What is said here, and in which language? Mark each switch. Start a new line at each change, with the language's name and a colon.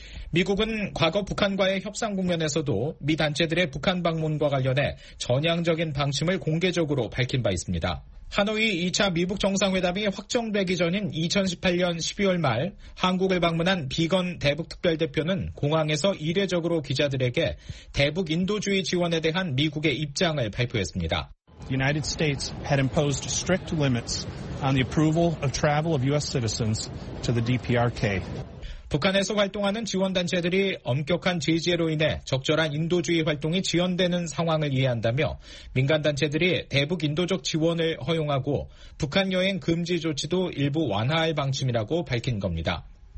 Korean: 미국은 과거 북한과의 협상 국면에서도 미 단체들의 북한 방문과 관련해 전향적인 방침을 공개적으로 밝힌 바 있습니다. 하노이 2차 미북 정상회담이 확정되기 전인 2018년 12월 말 한국을 방문한 비건 대북특별대표는 공항에서 이례적으로 기자들에게 대북 인도주의 지원에 대한 미국의 입장을 발표했습니다.
English: The United States had imposed strict limits on the approval of travel of U.S. citizens to the DPRK.
Korean: 북한에서 활동하는 지원단체들이 엄격한 제재로 인해 적절한 인도주의 활동이 지연되는 상황을 이해한다며 민간단체들이 대북 인도적 지원을 허용하고 북한 여행 금지 조치도 일부 완화할 방침이라고 밝힌 겁니다.